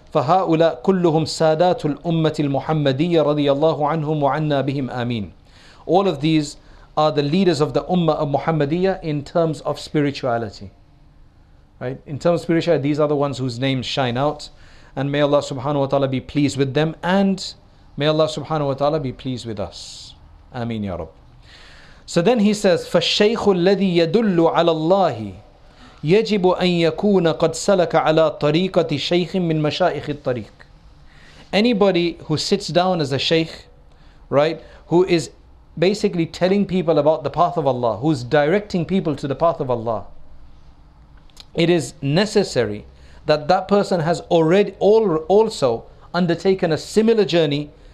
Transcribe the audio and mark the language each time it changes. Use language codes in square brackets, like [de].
[ar] فهؤلاء كلهم سادات الأمة المحمدية رضي الله عنهم وعنا بهم آمين. [en] All of these are the leaders of the Ummah of Muhammadiyya in terms of spirituality. Right? In terms of spirituality, these are the ones whose names shine out. And may Allah subhanahu wa ta'ala be pleased with them. And may Allah subhanahu wa ta'ala be pleased with us. Ameen ya Rabb. So then he says, [ar] فالشيخ الذي يدل على الله يجب أن يكون قد سلك على طريقة شيخ من مشايخ الطريق. [en] Anybody who sits down as a sheikh, right, who is basically telling people about the path of Allah, who's directing people to the path of Allah, it is necessary that person has already also undertaken a similar journey